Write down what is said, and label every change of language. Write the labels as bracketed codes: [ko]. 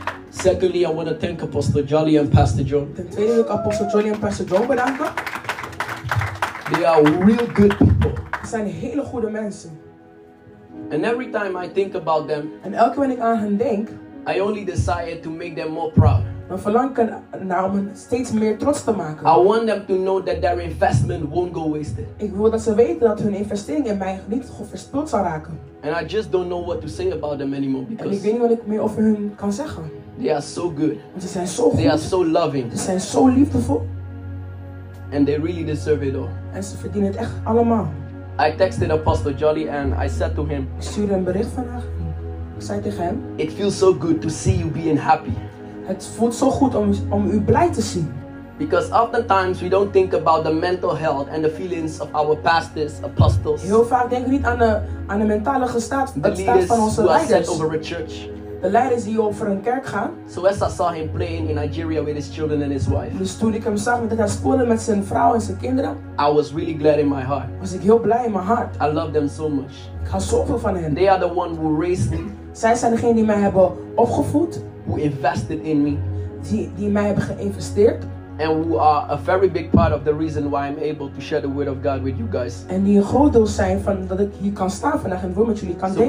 [en] Secondly, I want to thank Apostle Jolly and Pastor John. [nl] Ten tweede wil ik Apostle Jolly en Pastor John bedanken. [en] They are real good people. [nl] Ze zijn hele goede mensen. [en] And every time I think about them, [nl] en elke keer wanneer ik aan hen denk, [en] I only desire to make them more proud. [nl] Dan verlang ik naar om hen steeds meer trots te maken. [en] I want them to know that their investment won't go wasted. [nl] Ik wil dat ze weten dat hun investering in mij niet verspild zal raken. [en] And I just don't know what to say about them anymore because [nl] en ik weet niet wat ik meer over hun kan zeggen. [en] They are so good. [nl] Want ze zijn zo goed. [en] They are so loving. [nl] Ze zijn zo liefdevol. [en] And they really deserve it all. [nl] En ze verdienen het echt allemaal. [en] I texted Apostle Jolly and I said to him. [nl] Ik stuurde een bericht vandaag. Ik zei tegen hem. [en] It feels so good to see you being happy. [nl] Het voelt zo goed om u blij te zien. [en] Because oftentimes we don't think about the mental health and the feelings of our pastors, apostles. [nl] Heel vaak denken we niet aan de mentale gestaat van onze leiders. [en] The leaders who are set over a church. [nl] De leiders die over een kerk gaan. [en] So as I saw him playing in Nigeria with his children and his wife. [nl] Dus toen ik hem zag met hij spelen met zijn vrouw en zijn kinderen. [en] I was really glad in my heart. [nl] Was ik heel blij in mijn hart. [en] I love them so much. [nl] Ik hou zoveel van hen. [en] They are the one who raised me. [nl] Zij zijn degene die mij hebben opgevoed. [en] Who invested in me. [nl] Die mij hebben geïnvesteerd. [en] And who are a very big part of the reason why I'm able to share the word of God with you guys. [nl] En die een groot deel zijn van dat ik hier kan staan vandaag en het woord met jullie kan delen.